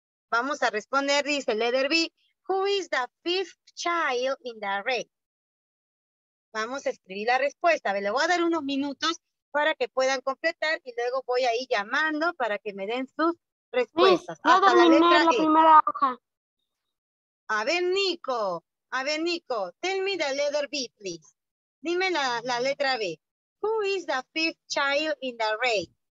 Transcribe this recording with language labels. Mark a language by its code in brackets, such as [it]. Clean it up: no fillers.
[es] Vamos a responder, dice [en] letter B, who is the fifth child in the race? [es] Vamos a escribir la respuesta. A ver, le voy a dar unos minutos para que puedan completar y luego voy a ir llamando para que me den sus respuestas. Sí, hasta la letra la primera hoja. A ver, [en] Nico, tell me the letter B, please. [es] Dime la letra B. [en] Who is the fifth child in the race?